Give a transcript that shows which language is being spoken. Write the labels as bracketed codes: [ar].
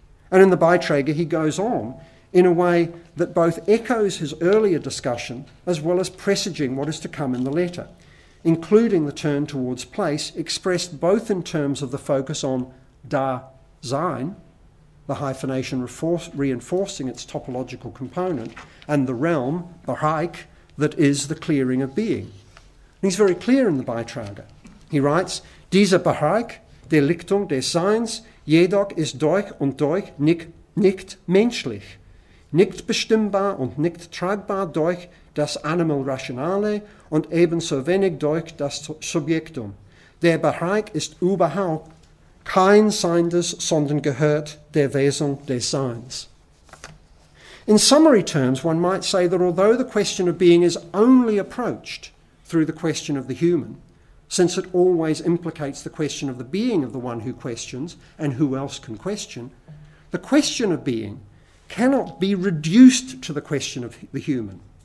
[en] And in the Beiträger, he goes on in a way that both echoes his earlier discussion as well as presaging what is to come in the letter, including the turn towards place, expressed both in terms of the focus on Dasein, the hyphenation reinforcing its topological component, and the realm, the Reich, that is the clearing of being. And he's very clear in the Beiträger. He writes, [de] "Dieser Bereich der Lichtung des Seins jedoch ist durch und durch nicht menschlich, nicht bestimmbar und nicht tragbar durch das Animal Rationale und ebenso wenig durch das Subjektum. Der Bereich ist überhaupt kein Seindes, sondern gehört der Wesung des Seins." [en] In summary terms, one might say that although the question of being is only approached through the question of the human, since it always implicates the question of the being of the one who questions and who else can question, the question of being cannot be reduced to the question of the human.